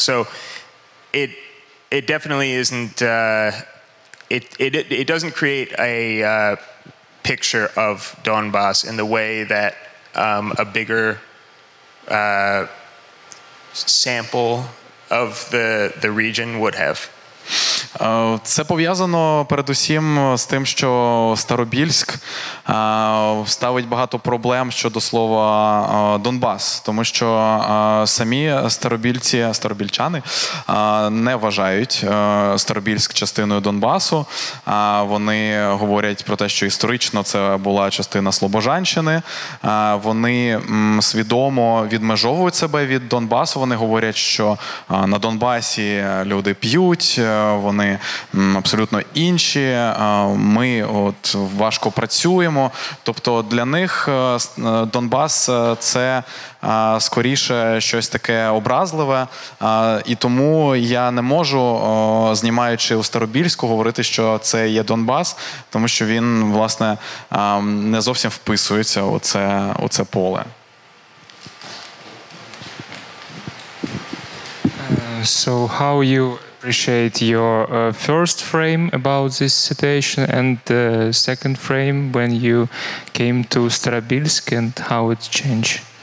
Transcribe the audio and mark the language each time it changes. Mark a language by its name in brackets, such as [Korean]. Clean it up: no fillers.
[English] So it definitely isn't, it doesn't create a picture of Donbas in the way that a bigger sample of the region would have. [Ukrainian] Це пов'язано передусім з тим, що Старобільськ ставить багато проблем щодо слова Донбас, тому що самі старобільчани не вважають Старобільськ частиною Донбасу. Вони говорять про те, що історично це була частина Слобожанщини. Вони свідомо відмежовують себе від Донбасу. Вони говорять, що на Донбасі люди п'ють, вони абсолютно інші, ми от важко працюємо. Тобто для них Донбас – це скоріше щось таке образливе. І тому я не можу, знімаючи у Старобільську, говорити, що це є Донбас, тому що він, власне, не зовсім вписується у це поле. [English] So how you appreciate your first frame about this situation and the second frame when you came to Starobylsk and how it changed?